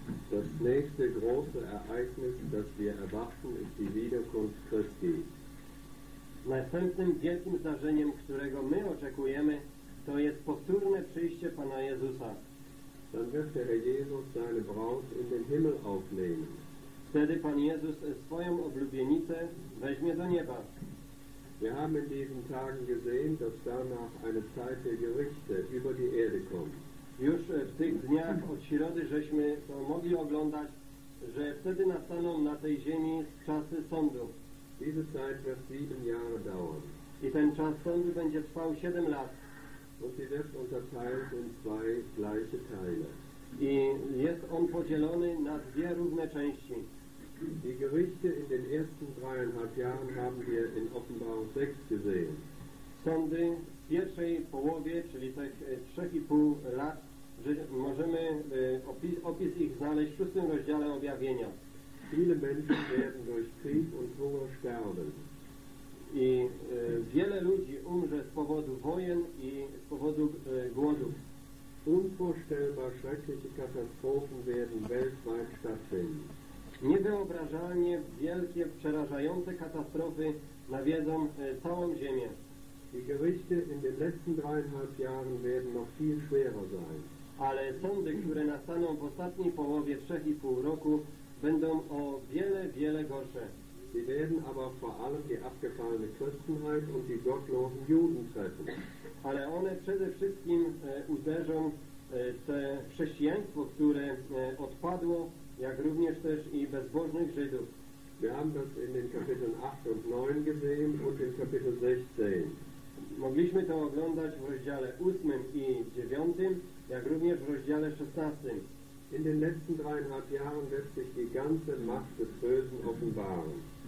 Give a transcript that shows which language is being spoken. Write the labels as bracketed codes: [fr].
[de] Das nächste große Ereignis, das wir erwarten, ist die Wiederkunft Christi. [pl] Następnym wielkim zdarzeniem, którego my oczekujemy, to jest powtórne przyjście Pana Jezusa. [de] Dann wird der Herr Jesus seine Braut in den Himmel aufnehmen. [pl] Wtedy Pan Jezus swoją oblubienicę weźmie do nieba. [de] Wir haben in diesen Tagen gesehen, dass danach eine Zeit der Gerichte über die Erde kommt. [pl] Już w tych dniach od środy żeśmy to mogli oglądać, że wtedy nastaną na tej ziemi czasy sądu. [de] Diese Zeit wird 7 Jahre dauern. [pl] I ten czas sądu będzie trwał 7 lat. [de] Und sie wird unterteilt in zwei gleiche Teile. [pl] I jest on podzielony na dwie różne części. [de] Die Gerichte in den ersten 3,5 Jahren haben wir in Offenbarung 6 gesehen. [pl] Sądy w pierwszej połowie, czyli tych 3,5 lat, że możemy opis ich znaleźć w 6 rozdziale objawienia. [de] Viele Menschen werden durch Krieg und Hunger sterben. [pl] I wiele ludzi umrze z powodu wojen i z powodu głodu. [de] Unvorstellbar schreckliche Katastrophen werden weltweit stattfinden. [pl] Niewyobrażalnie wielkie, przerażające katastrofy nawiedzą całą Ziemię. [de] Die Gerichte in den letzten 3,5 Jahren werden noch viel schwerer sein. [pl] Ale sądy, które nastaną w ostatniej połowie 3,5 roku, będą o wiele, wiele gorsze. [de] Sie werden aber vor allem die abgefallene Christenheit und die gottlosen Juden treffen. [pl] Ale one przede wszystkim uderzą te chrześcijaństwo, które odpadło, jak również też i bezbożnych Żydów. [de] Wir haben das in den Kapiteln 8 und 9 gesehen und in Kapitel 16. [pl] Mogliśmy to oglądać w rozdziale 8 i 9, jak również w rozdziale 16. [de] In den letzten 3,5 Jahren wird sich die ganze Macht des Bösen offenbaren.